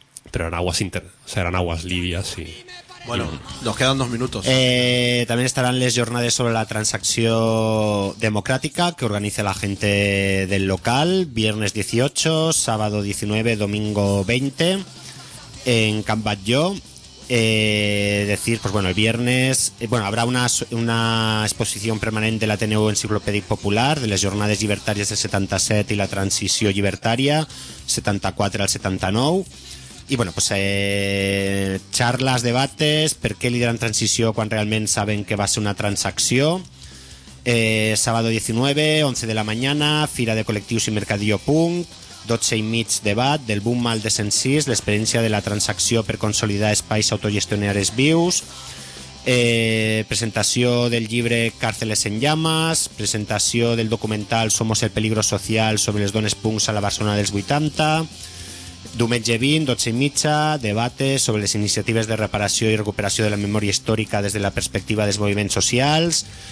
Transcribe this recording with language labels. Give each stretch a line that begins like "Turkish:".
Spanish: Pero eran aguas libias, sí. Bueno, nos quedan 2 minutos. También estarán
Catalan: les jornades
Spanish: sobre la transacción democrática que organiza la gente del local, viernes 18, sábado 19, domingo 20, en Can Batlló. Decir, pues bueno, el viernes, bueno, habrá una exposición permanente de la TNU Enciclopèdic Popular
Catalan: de les jornades llibertàries del 77 i la transició llibertària 74 al 79.
Spanish: Y bueno, pues charlas, debates, ¿por qué lideran transición cuando realmente saben que va a ser una transacción? Sábado 19, 11 de la mañana,
Catalan: Fira de Colectius y Mercadillo Punk, Dotze i Mig Debat, del Boom al de Sensis, l'experiència de la transacció per consolidar espais autogestionaris vius, presentació del llibre Càrceles en Llamas, presentació del documental Somos el Peligro Social sobre les dones punks a la Barcelona dels 80, diumenge 20, 12 i mitja, debates sobre les iniciatives de reparació i recuperació de la memòria històrica des de la perspectiva dels moviments socials.